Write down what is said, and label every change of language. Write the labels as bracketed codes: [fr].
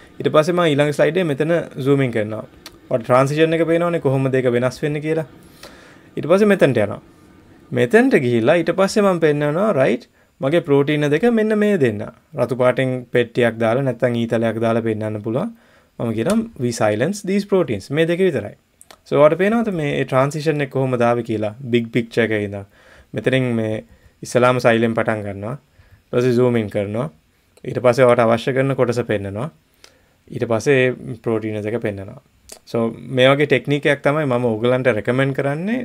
[si] ඊට පස්සේ මම ඊළඟ ස්ලයිඩ් එකේ මෙතන zoom in කරනවා. ඔය ට්‍රාන්සිෂන් එක පේනවනේ කොහොමද ඒක වෙනස් වෙන්නේ කියලා. ඊට පස්සේ මෙතනට යනවා. මෙතනට ගිහිල්ලා ඊට පස්සේ මම පෙන්වනවා රයිට් මගේ ප්‍රෝටීන දෙක මෙන්න මේ දෙන්න. රතු පාටින් පෙට්ටියක් දාලා නැත්නම් ඊතලයක් දාලා පෙන්වන්න පුළුවන්. මම කියනවා [en] we silence these proteins. [si] මේ දෙක විතරයි. සෝ ඔයාලට පේනවද මේ ට්‍රාන්සිෂන් එක කොහොමද ආවේ කියලා big picture එකේ ඉඳන්. මෙතනින් මේ ඉස්ලාම සයිලෙන් පටන් ගන්නවා. ඊට පස්සේ zoom in කරනවා. ඊට පස්සේ ඔයාලට අවශ්‍ය කරන කොටස පෙන්වනවා. ඊට පස්සේ ප්‍රෝටීන දෙක පෙන්වනවා. සෝ මේ වගේ ටෙක්නික් එකක් තමයි මම ඕගලන්ට රෙකමෙන්ඩ් කරන්නේ.